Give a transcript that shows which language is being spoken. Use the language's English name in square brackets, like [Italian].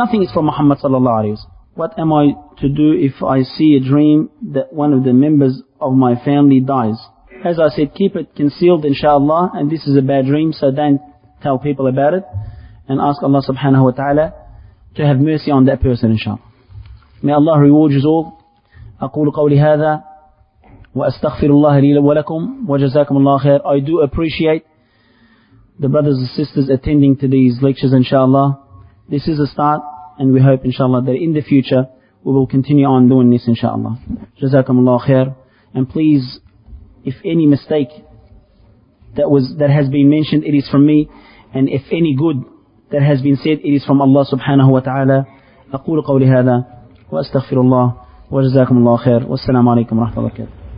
[English] Nothing is from Muhammad sallallahu alayhi wa sallam. What am I to do if I see a dream that one of the members of my family dies? As I said, keep it concealed, inshallah, and this is a bad dream, so don't tell people about it. And ask Allah subhanahu wa ta'ala to have mercy on that person, inshallah. May Allah reward you all. [Arabic] أقول قولي هذا وأستغفر الله لي ولكم وجزاكم الله خير. [English] I do appreciate the brothers and sisters attending to these lectures, inshallah. This is a start, and we hope, inshallah, that in the future we will continue on doing this, inshallah. [Arabic] جزاكم الله خير. [English] And please, if any mistake that has been mentioned, it is from me, and if any good that has been said, it is from Allah subhanahu wa ta'ala. [Arabic] أقول قولي هذا وأستغفر الله. وجزاكم الله خير والسلام عليكم ورحمة الله وبركاته.